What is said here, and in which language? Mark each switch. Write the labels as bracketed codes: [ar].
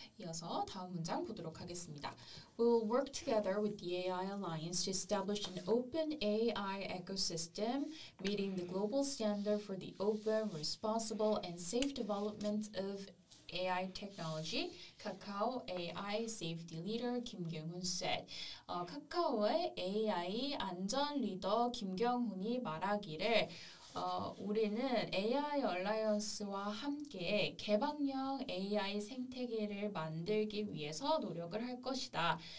[ko] 이어서 다음 문장 보도록 하겠습니다. [en] We'll work together with the AI Alliance to establish an open AI ecosystem meeting the global standard for the open, responsible, and safe development of AI technology. 카카오 AI safety leader 김경훈 said. [ko] 카카오의 AI 안전 리더 김경훈이 말하기를 우리는 AI 얼라이언스와 함께 개방형 AI 생태계를 만들기 위해서 노력을 할 것이다.